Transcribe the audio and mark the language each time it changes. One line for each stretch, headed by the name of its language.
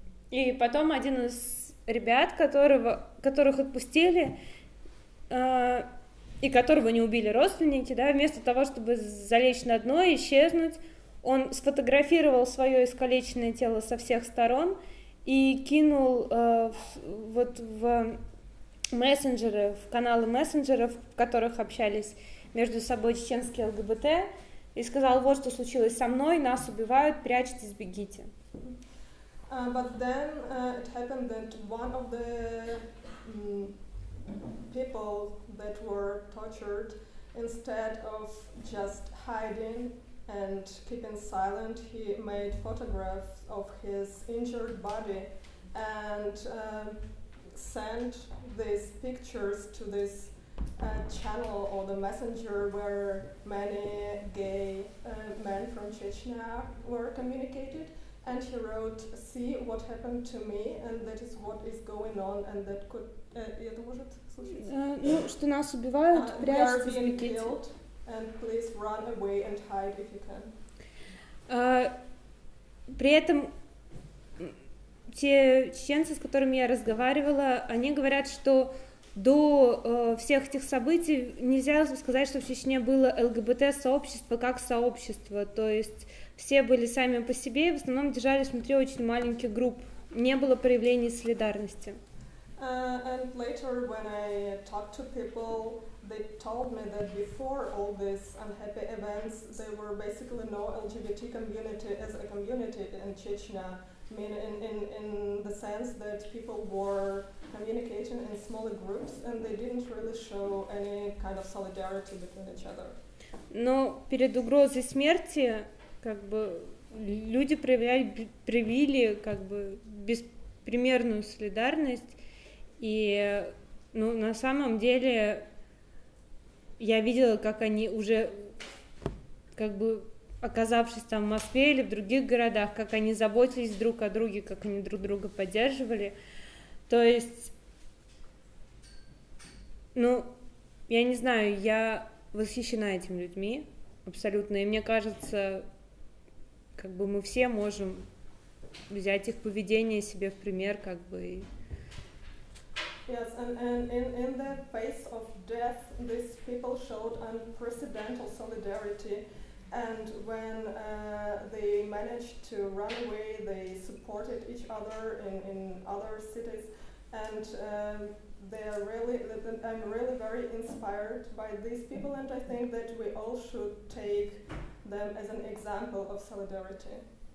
Russian: И потом один из ребят, которых отпустили, и которого не убили родственники, да, вместо того, чтобы залечь на дно и исчезнуть, он сфотографировал свое искалеченное тело со всех сторон и кинул в мессенджеры, в каналы мессенджеров, в которых общались между собой чеченские ЛГБТ, и сказал: вот что случилось со мной, нас убивают, прячьтесь, бегите.
English: But then it happened that one of the people that were tortured, instead of just hiding and keeping silent, he made photographs of his injured body and sent these pictures to this channel or the messenger where many gay men from Chechnya were communicated, and he wrote, "See what happened to me, and that is what is going on, and that could it
Russian: может случиться." Ну, что нас убивают, прячьтесь, бегите.
English: We are being killed, and please run away and hide if you can.
Russian: При этом те чеченцы, с которыми я разговаривала, они говорят, что до всех этих событий нельзя сказать, что в Чечне было ЛГБТ-сообщество как сообщество, то есть все были сами по себе и в основном держались внутри очень маленьких групп, не было проявлений солидарности.
English: And later, when I talked to people, they told me that before all these unhappy events, there were basically no LGBT community as a community in Chechnya. I mean, in the sense that people were communicating in smaller groups, and they didn't really show any kind of solidarity between each other.
Russian: Но перед угрозой смерти, как бы, люди проявили как бы беспримерную солидарность, и, ну, на самом деле, я видела, как они уже, как бы, оказавшись там в Москве или в других городах, как они заботились друг о друге, как они друг друга поддерживали. То есть, ну, я не знаю, я восхищена этими людьми абсолютно, и мне кажется, как бы мы все можем взять их поведение себе в пример, как бы.
English: Yes, and in the face of death, these people showed unprecedented solidarity. And when they managed to run away, they supported each other in other cities. And I'm really very inspired by these people. And I think that we all should take them as an example of solidarity.